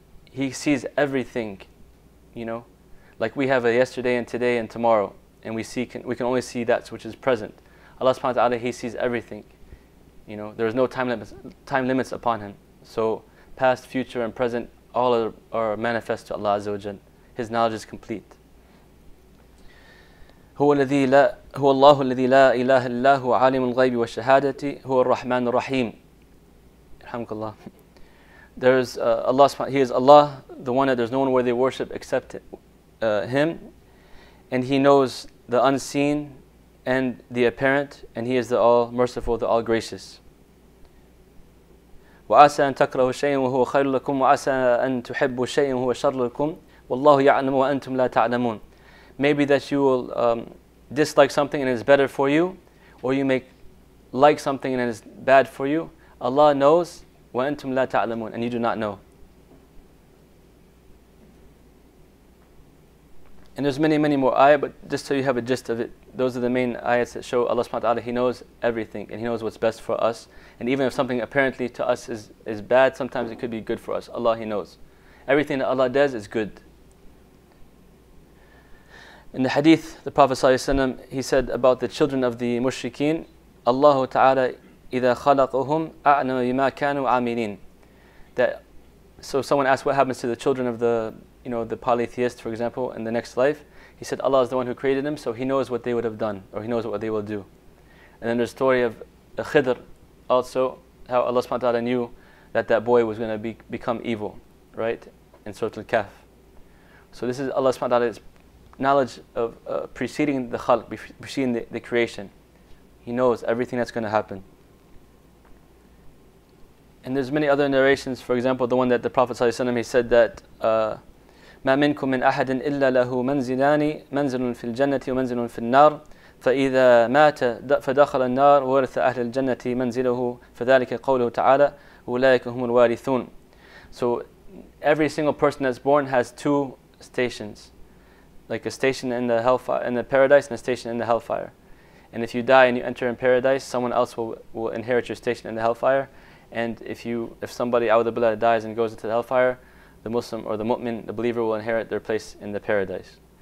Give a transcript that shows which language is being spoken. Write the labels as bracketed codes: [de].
[en] He sees everything, you know? Like, we have a yesterday and today and tomorrow, and we can only see that which is present. Allah subhanahu wa ta'ala, He sees everything. You know, there is no time limits upon Him. So past, future, and present, all are manifest to Allah Azza wa Jal. His knowledge is complete. [ar] هو الله الذي لا إله إلا هو عالم الغيب والشهادة هو الرحمن الرحيم. Alhamdulillah. [en] There is Allah, He is Allah, the one that there's no one worthy of worship except Him. And He knows the unseen and the apparent, and He is the all merciful, the all gracious. [ar] وَعَسَىٰ أَن تَكْرَهُ شَيْءٍ وَهُوَ خَيْرٌ لَكُمْ وَعَسَىٰ أَن تُحِبُّ شَيْءٍ وَهُوَ شَرٌ لَكُمْ وَاللَّهُ يَعْلَمُ وَأَنْتُمْ لَا تَعْلَمُونَ. [en] Maybe that you will dislike something and it's better for you, or you may like something and it's bad for you. Allah knows, [ar] وَأَنْتُمْ لَا تَعْلَمُونَ, [en] and you do not know. And there's many, many more ayah, but just so you have a gist of it, those are the main ayahs that show Allah subhanahu wa ta'ala, He knows everything, and He knows what's best for us. And even if something apparently to us is bad, sometimes it could be good for us. Allah, He knows. Everything that Allah does is good. In the hadith, the Prophet ﷺ, he said about the children of the mushrikeen, [ar] Allah Ta'ala إِذَا خَلَقُهُمْ أَعْنَمَ بِمَا كَانُوا عَامِلِينَ. [en] That, so someone asked what happens to the children of the, you know, the polytheist, for example, in the next life. He said Allah is the one who created them, so he knows what they would have done, or he knows what they will do. And then there's a story of Qadr also, how Allah Subhanahu wa Ta'ala knew that that boy was going to become evil, right? In Surah Al-Kahf. So this is Allah Subhanahu wa Ta'ala's knowledge of preceding the khalq, preceding the creation. He knows everything that's going to happen. And there's many other narrations. For example, the one that the Prophet ﷺ, he said that [ar] مَا مِنْكُمْ مِنْ أَحَدٍ إِلَّا لَهُ مَنْزِلَانِ مَنْزِلٌ فِي الْجَنَّةِ وَمَنْزِلٌ فِي النَّارِ فَإِذَا مَاتَ فَدَخَلَ النَّارِ وَرِثَ أَهْلِ الْجَنَّةِ مَنْزِلَهُ فَذَلِكَ قَوْلُهُ تَعَالَى أُولَٰئِكَ هُمُ الْوَارِثُونَ. [en] So every single person that's born has two stations, like a station in the hellfire, in the paradise, and a station in the hellfire. And if you die and you enter in paradise, someone else will inherit your station in the hellfire. And if somebody, a'udhu billah, dies and goes into the hellfire, the Muslim or the mu'min, the believer, will inherit their place in the paradise.